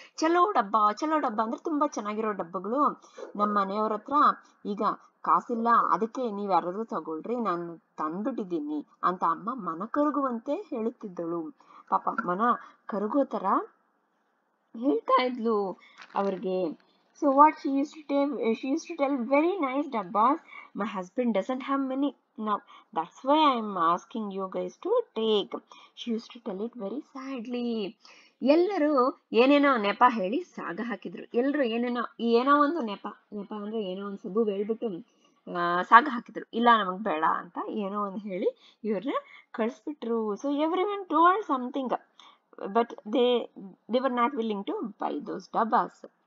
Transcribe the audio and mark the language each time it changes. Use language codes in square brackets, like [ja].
[kn] ಚಲೋ ಡಬ್ಬ, ಚಲೋ ಡಬ್ಬ ಅಂದ್ರೆ ತುಂಬಾ ಚೆನ್ನಾಗಿರೋ ಡಬ್ಬಗಳು, ನಮ್ಮ ಮನೆಯವ್ರ ಹತ್ರ ಈಗ ಕಾಸಿಲ್ಲ, ಅದಕ್ಕೆ ನೀವ್ ಯಾರಾದ್ರು ತಗೊಳ್ರಿ, ನಾನು ತಂದ್ಬಿಟ್ಟಿದ್ದೀನಿ ಅಂತ ಅಮ್ಮ ಮನ ಕರಗುವಂತೆ ಹೇಳುತ್ತಿದ್ದಳು. ಪಾಪ ಮನ ಕರಗೋ ತರ ಹೇಳ್ತಾ ಇದ್ಲು ಅವ್ರಿಗೆ. [en] So what she used to tell, she used to tell very nice dabbas, my husband doesn't have money. Now, that's why I am asking you guys to take. She used to tell it very sadly. [kn] ಎಲ್ಲರು ಏನೇನೋ ನೆಪ ಹೇಳಿ ಸಾಗ ಹಾಕಿದ್ರು. ಎಲ್ಲರು ಏನೇನೋ ಏನೋ ಒಂದು ನೆಪ, ನೆಪ ಅಂದ್ರೆ ಏನೋ ಒಂದು ಸಬೂಬು ಹೇಳ್ಬಿಟ್ಟು ಸಾಗ ಹಾಕಿದ್ರು. ಇಲ್ಲ ನಮಗ್ ಬೇಡ ಅಂತ ಏನೋ ಒಂದು ಹೇಳಿ ಇವ್ರನ್ನ ಕಳಿಸ್ಬಿಟ್ರು. [en] So everyone told something, but they were not willing to buy those dabbas.